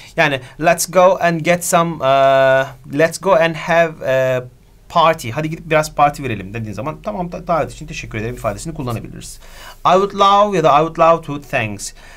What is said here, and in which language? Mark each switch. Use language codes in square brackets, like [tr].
[en] Yani let's go and get some, let's go and have a party. [tr] Hadi gidip biraz parti verelim dediğin zaman tamam, davet için teşekkür ederim ifadesini kullanabiliriz. [en] I would love [tr] ya da [en] I would love to, thanks.